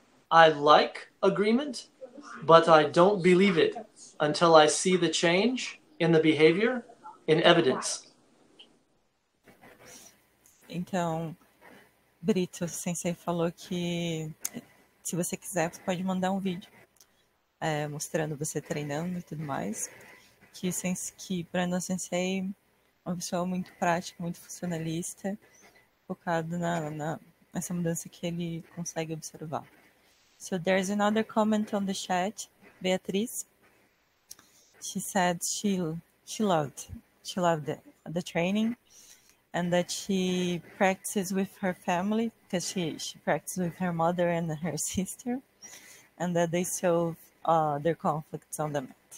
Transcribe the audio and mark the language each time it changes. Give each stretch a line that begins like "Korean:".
English: I like agreement, but I don't believe it until I see the change in the behavior, in evidence.
Portuguese: Então, Brito, sensei falou que se você quiser, você pode mandar vídeo mostrando você treinando e tudo mais. Que Brandon Sensei é uma pessoa muito prática, muito funcionalista, focado nessa mudança que ele consegue observar.
English: So there's another comment on the chat, Beatriz. She said she loved the training and that she practices with her family because she practices with her mother and her sister and that they solve their conflicts on the mat.